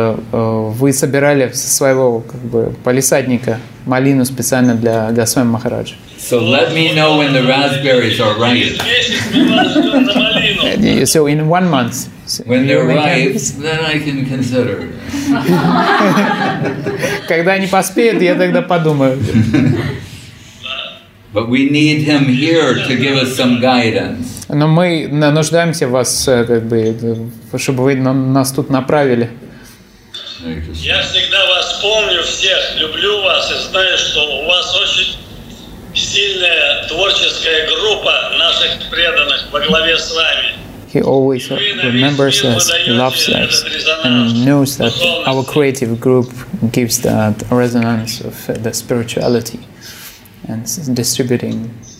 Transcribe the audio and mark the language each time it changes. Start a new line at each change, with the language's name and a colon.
Russian: Вы собирали со своего как бы палисадника малину специально для Госвами Махараджа.
English: So let me know when the raspberries are ripe. So in 1 month. When they're ripe, then I can consider.
Russian: Когда они поспеют, я тогда подумаю.
English: But we need him here to give us some guidance.
Russian: Но мы нуждаемся в вас, как бы, чтобы вы нас тут направили. Я всегда вас помню всех, люблю вас и знаю, что у вас очень сильная творческая группа наших преданных во главе с вами.
English: He always remembers us, loves us, and knows that our creative group gives that resonance of the spirituality and distributing.